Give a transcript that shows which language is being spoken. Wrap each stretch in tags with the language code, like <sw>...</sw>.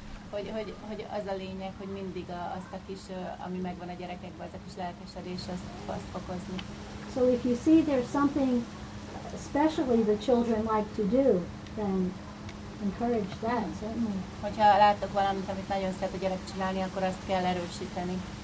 <hu>Hogy az a lényeg, hogy mindig azt a kis, ami megvan a gyerekekben, az a kis lelkesedés, azt fokozni.</hu> <en>So if you see there's something especially the children like to do, then encourage that, certainly.</en> <hu>Hogyha láttok valamit, amit nagyon szeret a gyerek csinálni, akkor azt kell erősíteni.</hu>